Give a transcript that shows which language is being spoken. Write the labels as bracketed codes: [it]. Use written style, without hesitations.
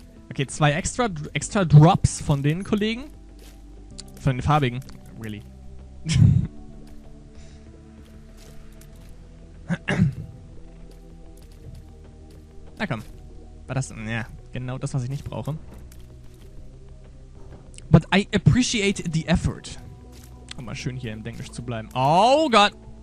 [de] Okay, zwei extra Drops von den Kollegen. Von den farbigen. [en] Really. [de] Na komm. War das... Ja, genau das, was ich nicht brauche. [en] But I appreciate the effort. [de] Um mal schön hier im Denglisch zu bleiben. Oh Gott!